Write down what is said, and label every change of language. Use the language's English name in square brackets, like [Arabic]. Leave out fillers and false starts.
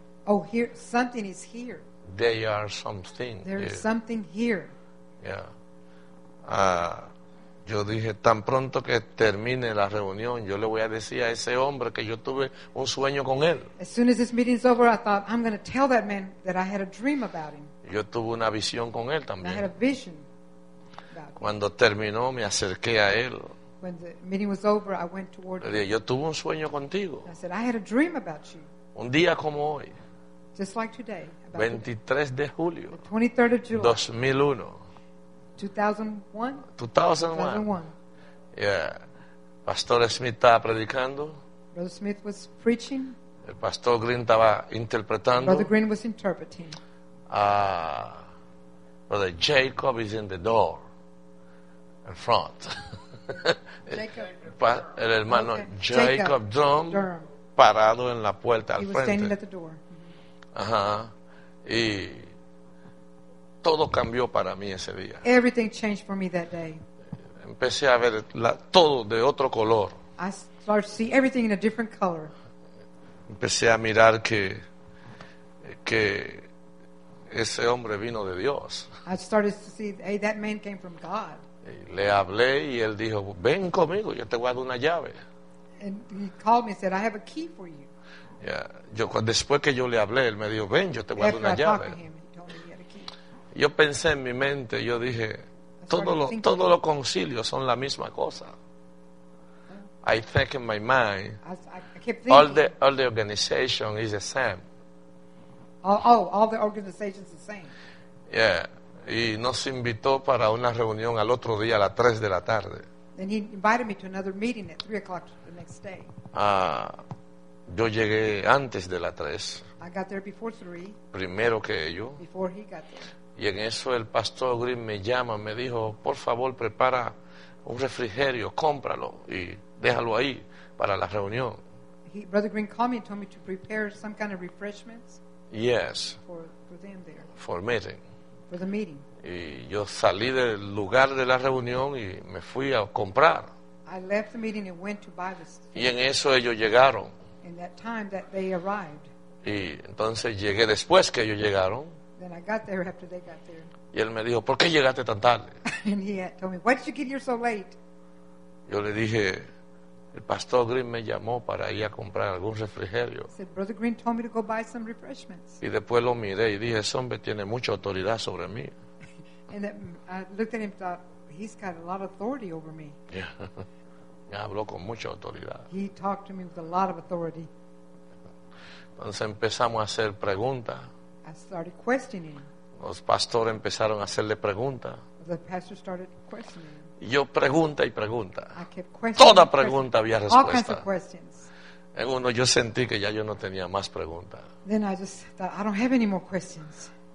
[English] Oh, here something is here. There are something. There is something here. Yeah. [Spanish] Yo dije, tan pronto que termine la reunión, yo le voy a decir a ese hombre que yo tuve un sueño con él. [English] As soon as this meeting's over, I thought, I'm going to tell that man that I had a dream about him. [Spanish] Yo tuve una visión con él también. [English] And I had a vision about him. [Spanish] Cuando terminó, me acerqué a él. [English] When the meeting was over, I went toward him. [Spanish] Le dije, yo tuve un sueño contigo. [English] I said, I had a dream about you. [Spanish] Un día como hoy. [English] Just like today. About [Spanish] 23 de julio. [English] The 23rd of July. [Spanish] 2001. [English] 2001. [Spanish] Yeah. Pastor Smith estaba predicando. [English] Brother Smith was preaching. [Spanish] El pastor Green estaba interpretando. [English] Brother Green was interpreting. Brother Jacob is in the door in front. Jacob. [Spanish] El hermano Jacob Durham parado en la puerta al frente. [English] He was standing at the door. Ajá. [Spanish] Y todo cambió para mí ese día. [English] Everything changed for me that day. [Spanish] Empecé a ver todo de otro color. [English] I start to see everything in a different color. [Spanish] Empecé a mirar que ese hombre vino de Dios. [English] I started to see, hey, that man came from God. [Spanish] Y le hablé y él dijo, ven conmigo, yo te voy a dar una llave. [English] And he called me and said, I have a key for you. Yeah. [Spanish] Yo, después que yo le hablé, él me dijo, ven, yo te voy [English] After [Spanish] a dar una llave. Yo pensé en mi mente, yo dije, todos los concilios son la misma cosa. [English] I think in my mind, all the organization is the same. All the organization is the same. Yeah. [Spanish] Y nos invitó para una reunión al otro día a las 3 de la tarde. [English] And he invited me to another meeting at 3 o'clock the next day. [Spanish] Yo llegué antes de las 3. [English] I got there before 3. [Spanish] Primero que ellos. [English] Before he got there. [Spanish] Y en eso el pastor Green me llama, me dijo, por favor, prepara un refrigerio, cómpralo y déjalo ahí para la reunión. [English] Brother Green called me and told me to prepare some kind of refreshments. Yes. For them there. For meeting. For the meeting. [Spanish] Y yo salí del lugar de la reunión y me fui a comprar. [English] I left the meeting and went to buy the stuff. [Spanish] Y en eso ellos llegaron. [English] In that time that they arrived. [Spanish] Y entonces llegué después que ellos llegaron. [English] Then I got there after they got there. [Spanish] Y él me dijo, ¿por qué llegaste tan tarde? [English] And he told me, why did you get here so late? [Spanish] Yo le dije, el pastor Green me llamó para ir a comprar algún refrigerio. [English] Said, Brother Green told me to go buy some refreshments. [Spanish] Y después lo miré y dije, ese hombre tiene mucha autoridad sobre mí. [English] And then I looked at him and thought, he's got a lot of authority over me. [Spanish] Me habló con mucha autoridad. [English] He talked to me with a lot of authority. [Spanish] Entonces empezamos a hacer preguntas. [English] I started questioning. [Spanish] Los pastores empezaron a hacerle preguntas. [English] The pastor started questioning. [Spanish] Yo pregunta y pregunta. [English] I kept questioning. [Spanish] Toda pregunta había respuesta. [English] All kinds of questions. [Spanish] En uno yo sentí que ya yo no tenía más preguntas. [English] Then I just thought, I don't have any more questions.